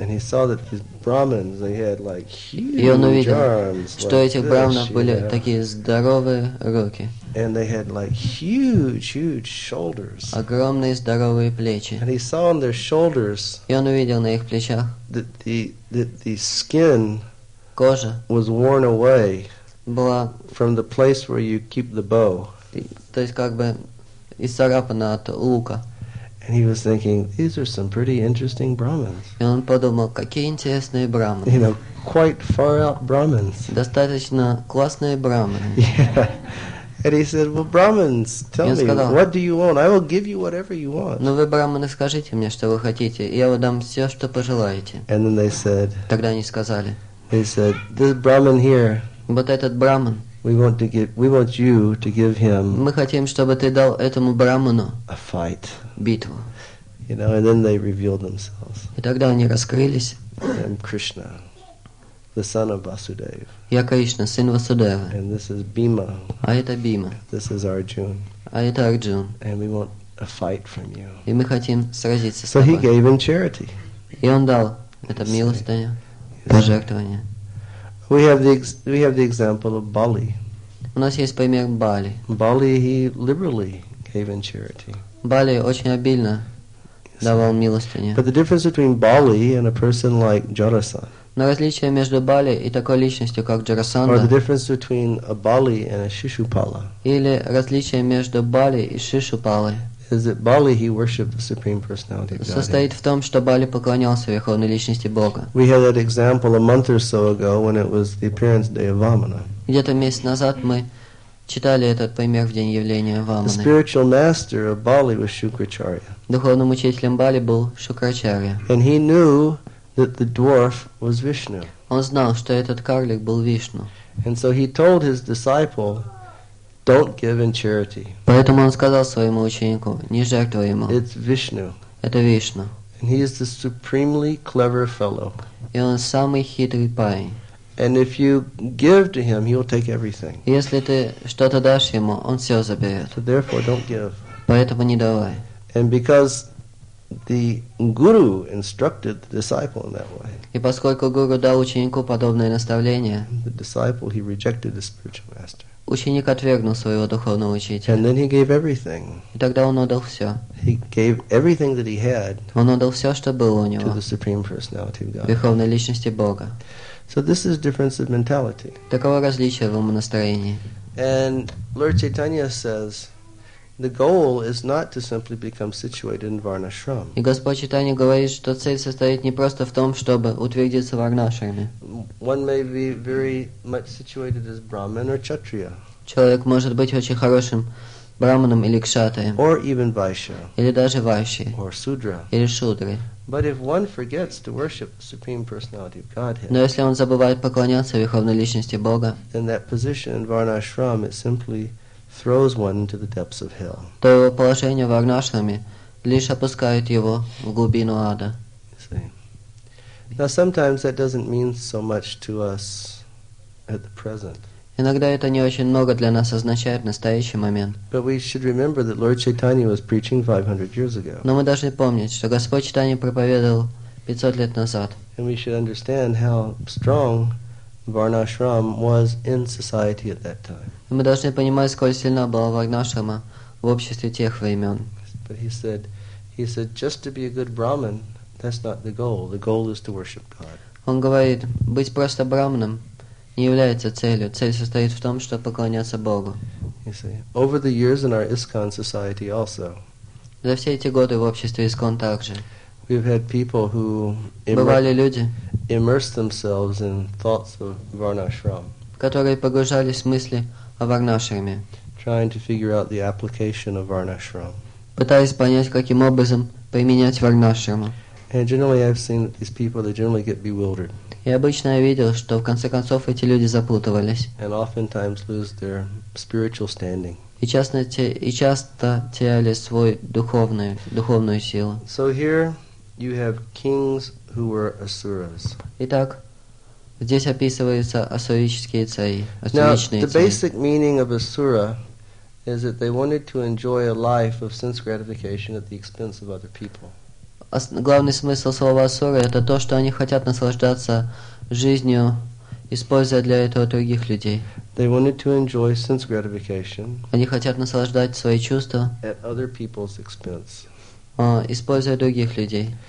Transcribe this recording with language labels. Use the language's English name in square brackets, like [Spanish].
[English] And he saw that these Brahmins, they had like huge arms. [Russian] И он увидел, [English] arms, [Russian] что [English] like [Russian] этих [English] this, [Russian] Брахманов были [English] you know? [Russian] Такие здоровые руки. [English] And they had like huge, huge shoulders. [Russian] Огромные здоровые плечи. [English] And he saw on their shoulders. [Russian] И он увидел на их плечах. [English] The skin. [Russian] Кожа. [English] Was worn away. [Russian] Была. [English] From the place where you keep the bow. [Russian] То есть как бы. И царапана от лука. [English] And he was thinking, these are some pretty interesting Brahmins. [Russian] И он подумал, какие интересные Брахманы. [English] You know, quite far out Brahmins. [Russian] Достаточно классные Брахманы. [English] Yeah. And he said, well, Brahmins, tell me, [Russian] сказал, [English] what do you want? I will give you whatever you want. [Russian] Ну вы, Брахманы, скажите мне, что вы хотите, и я вам дам все, что пожелаете. [English] And then they said, [Russian] тогда они сказали, [English] they said, this Brahmin here, [Russian] вот этот Брахман, [English] We want you to give him. [Russian] Мы хотим, чтобы ты дал этому брахману. [English] A fight. [Russian] Битву. [English] You know, and then they revealed themselves. [Russian] И тогда они раскрылись. [English] I'm Krishna, the son of Vasudev. [Russian] Я Кришна, сын Васудева. [English] And this is Bhima. [Russian] А это Бима. [English] This is Arjuna. [Russian] А это Арджун. [English] And we want a fight from you. [Russian] И мы хотим сразиться с тобой. [English] So he gave him charity. [Russian] И он дал это милостыню, пожертвование. [English] We have the example of Bali. [Russian] У нас есть пример Бали. [English] Bali, he liberally gave in charity. [Russian] Бали очень обильно давал милостыню. [English] But the difference between Bali and a person like Jarasandha. [Russian] Но различие между Бали и такой личностью как Джарасанда. [English] Or the difference between a Bali and a Shishupala. [Russian] Или различие между Бали и Шишупалой. [English] Is that Bali, he worshipped the Supreme Personality of Godhead. [Russian] Состоит в том, что Бали поклонялся Верховной Личности Бога. [English] We had that example a month or so ago when it was the appearance day of Vamana. [Russian] Где-то месяц назад мы читали этот пример в день явления Ваманы. [English] The spiritual master of Bali was Shukracharya. [Russian] Духовным учителем Бали был Шукрачарья. [English] And he knew that the dwarf was Vishnu. [Russian] Он знал, что этот карлик был Вишну. [English] And so he told his disciple, don't give in charity. [Russian] Поэтому он сказал своему ученику, не жертвуй ему. [English] It's Vishnu. [Russian] Это Вишну. [English] And he is the supremely clever fellow. [Russian] И он самый хитрый парень. [English] And if you give to him, he'll take everything. [Russian] Если ты что-то дашь ему, он все заберет. [English] So therefore, don't give. [Russian] Поэтому не давай. [English] And because the guru instructed the disciple in that way. [Russian] И поскольку гуру дал ученику подобное наставление. [English] The disciple, he rejected the spiritual master. [Russian] Ученик отвергнул своего духовного учителя. [English] And then he gave everything. [Russian] И тогда он отдал все. [English] He gave everything that he had. [Russian] Он отдал все, что было у него. [English] To the Supreme Personality of God. [Russian] Верховной личности Бога. [English] So this is difference of mentality. [Russian] Таково различие в умонастроении. [English] And Lord Chaitanya says, the goal is not to simply become situated in Varnashram. [Russian] И Господь Чайтанья говорит, что цель состоит не просто в том, чтобы утвердиться в Варнашраме. [English] One may be very much situated as Brahmin or Kshatriya. [Russian] Человек может быть очень хорошим Брахманом или Кшатрием. [English] Or even Vaishya. [Russian] Или даже Вайшья. [English] Or Sudra. [Russian] Или Шудры. [English] But if one forgets to worship the Supreme Personality of Godhead, [Russian] но если он забывает поклоняться Верховной Личности Бога, [English] then that position in Varnashram is simply throws one into the depths of hell. [Russian] То его положение в Варнашраме лишь опускает его в глубину ада. [English] Now sometimes that doesn't mean so much to us at the present. [Russian] Иногда это не очень много для нас означает в настоящий момент. [English] But we should remember that Lord Chaitanya was preaching 500 years ago. [Russian] Но мы должны помнить, что Господь Чайтанья проповедовал 500 лет назад. [English] And we should understand how strong Varnashram was in society at that time. [Russian] Мы должны понимать, сколь сильна была Варнашрама в обществе тех времен. [English] But he said, just to be a good Brahmin, that's not the goal. The goal is to worship God. [Russian] Он говорит, быть просто Брахманом не является целью. Цель состоит в том, чтобы поклоняться Богу. [English] You see, over the years in our ISKCON society also. [Russian] За все эти годы в обществе ИСККОН также. [English] We've had people who immersed themselves in thoughts of Varnashram, [Russian] которые погружались в мысли о Варнашраме, [English] trying to figure out the application of Varnashram, [Russian] пытаясь понять, каким образом применять Варнашраму. [English] And generally I've seen that these people, they generally get bewildered. [Russian] И обычно я видел, что в конце концов эти люди запутывались. [English] And oftentimes lose their spiritual standing. [Russian] И часто теряли свой духовную силу. [English] So here you have kings who were asuras. [Russian] Итак, здесь описываются асурические цари. [English] Now, the basic meaning of asura is that they wanted to enjoy a life of sense gratification at the expense of other people. [Russian] Главный смысл слова асура – это то, что они хотят наслаждаться жизнью, используя для этого других людей. [English] They wanted to enjoy sense gratification. [Russian] Они хотят наслаждать свои чувства [English] at other people's expense. [Russian] Используя других людей.